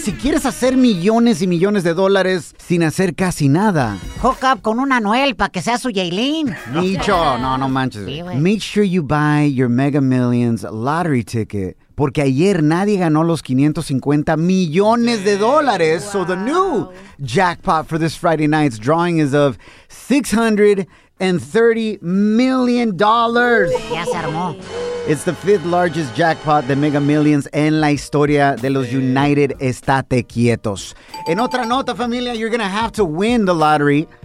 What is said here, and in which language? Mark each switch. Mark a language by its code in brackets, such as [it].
[es] Si quieres hacer millones y millones de dólares sin hacer casi nada. [en] Hook up [es] con una Noel para que sea su Yailin. Micho. No manches. [en] Make sure you buy your Mega Millions lottery ticket. [es] Porque ayer nadie ganó los 550 millones de dólares. [en] Wow. So the new jackpot for this Friday night's drawing is of $630 million. [es] Ya se armó. [en] It's the 5th largest jackpot [es] de Mega Millions en la historia de los [en] United Estate Quietos. [es] En otra nota, familia, [en] you're going to have to win the lottery